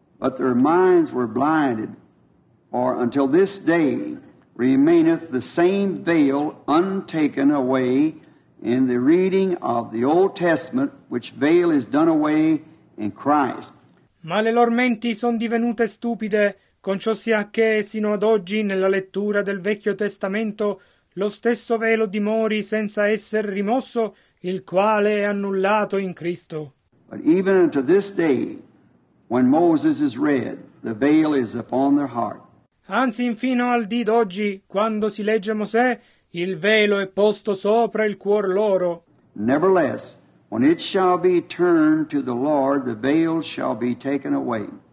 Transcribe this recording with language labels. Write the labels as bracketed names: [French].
[English] But their minds were blinded, for until this day remaineth the same veil untaken away in the reading of the Old Testament, which veil is done away in Christ. [Italian] Ma le loro menti sono divenute stupide, con ciò sia che, sino ad oggi, nella lettura del Vecchio Testamento, lo stesso velo dimori senza essere rimosso, il quale è annullato in Cristo. [English] But even unto this day, when Moses is read, the veil is upon their heart. [Italian] Anzi, infino al dì d'oggi, quando si legge Mosè, il velo è posto sopra il cuor loro. [English] Nevertheless, when it shall be turned to the Lord, the veil shall be taken away.